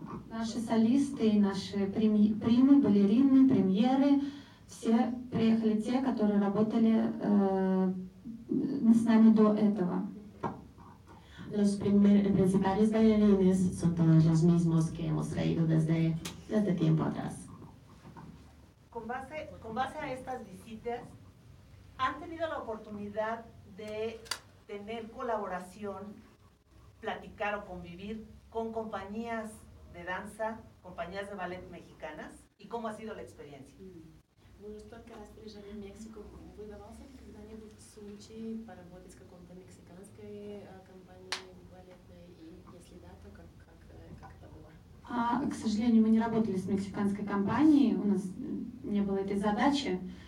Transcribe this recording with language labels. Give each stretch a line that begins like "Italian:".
Russian: Наши солисты, наши примы, балерины, премьеры, все приехали те, которые работали с нами до этого.
Spanish: Los principales bailarines son todos los mismos que hemos traído desde tiempo atrás. Con base a estas visitas, ¿han tenido la oportunidad de tener colaboración, platicar o convivir con compañías de danza, compañías de ballet mexicanas? ¿Y cómo ha sido la experiencia?
Russian: К сожалению, мы не работали с мексиканской компанией, у нас не было этой задачи.